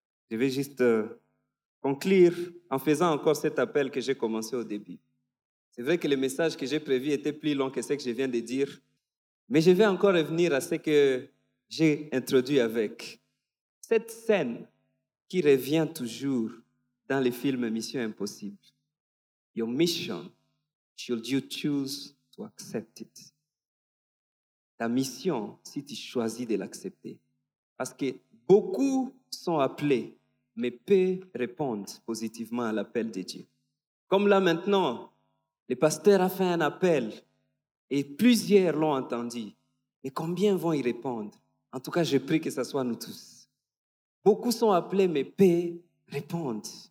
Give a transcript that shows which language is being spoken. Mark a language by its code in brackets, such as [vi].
[fr] Je vais juste conclure en faisant encore cet appel que j'ai commencé au début. C'est vrai que le message que j'ai prévu était plus long que ce que je viens de dire, mais je vais encore revenir à ce que j'ai introduit avec. Cette scène qui revient toujours dans les films Mission Impossible. [en] Your mission, should you choose to accept it. [fr] Ta mission, si tu choisis de l'accepter. Parce que beaucoup sont appelés, mais peu répondent positivement à l'appel de Dieu. Comme là maintenant, le pasteur a fait un appel et plusieurs l'ont entendu. Mais combien vont y répondre? En tout cas, je prie que ce soit nous tous. Beaucoup sont appelés, mais peu répondent.